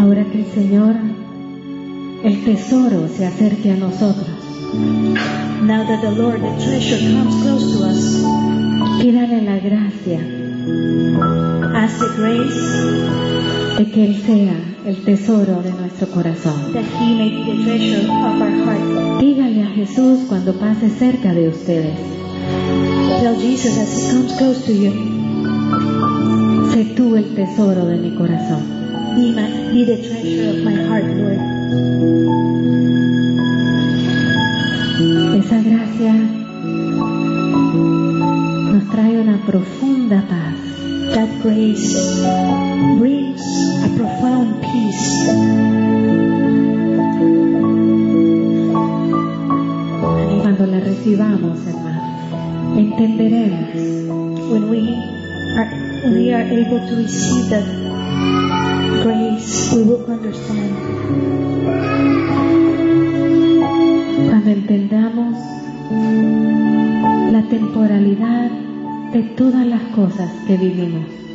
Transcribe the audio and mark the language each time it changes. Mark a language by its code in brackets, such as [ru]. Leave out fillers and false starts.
[es] Ahora que el Señor, el tesoro se acerque a nosotros. [en] Now that the Lord, the treasure, comes close to us, [es] pídale la gracia. [en] Ask the grace [es] de que Él sea el tesoro de nuestro corazón. [en] That He may be the treasure of our heart. [es] Dígale a Jesús cuando pase cerca de ustedes. [en] Tell Jesus as He comes close to you. [es] Sé tú el tesoro de mi corazón. [en] Be the treasure of my heart, Lord. [es] Esa gracia nos trae una profunda paz. [en] That grace brings a profound peace. [es] Y cuando la recibamos, hermano, entenderemos. [en] When we are able to receive that grace, we will understand. [es] Cuando entendamos la temporalidad de todas las cosas que vivimos.